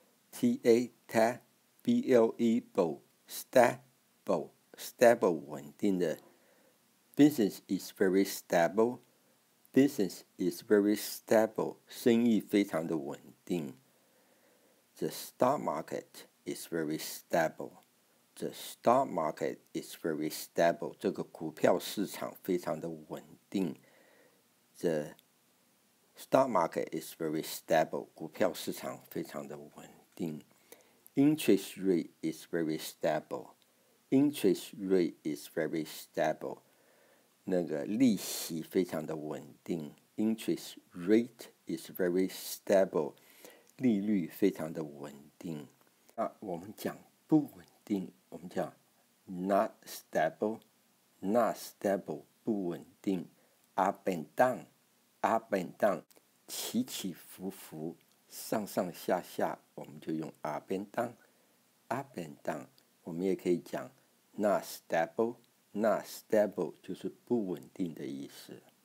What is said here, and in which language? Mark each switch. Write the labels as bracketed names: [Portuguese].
[English] t a t b l e stable stable 稳定的 business is very stable business is very stable [Chinese] 生意非常的稳定 [English] the stock market is very stableThe stock market is very stable. [Chinese] 这个股票市场非常的稳定。 [English] The stock market is very stable. [Chinese] 股票市场非常的稳定。 [English] Interest rate is very stable. Interest rate is very stable. [Chinese] 那个利息非常的稳定。 [English] Interest rate is very stable. [Chinese] 利率非常的稳定。那我们讲不稳定。我们讲 [English] not stable not stable [Chinese] 不稳定 [English] up and down up and down [Chinese] 起起伏伏上上下下我们就用 [English] up and down up and down [Chinese] 我们也可以讲 [English] not stable not stable [Chinese] 就是不稳定的意思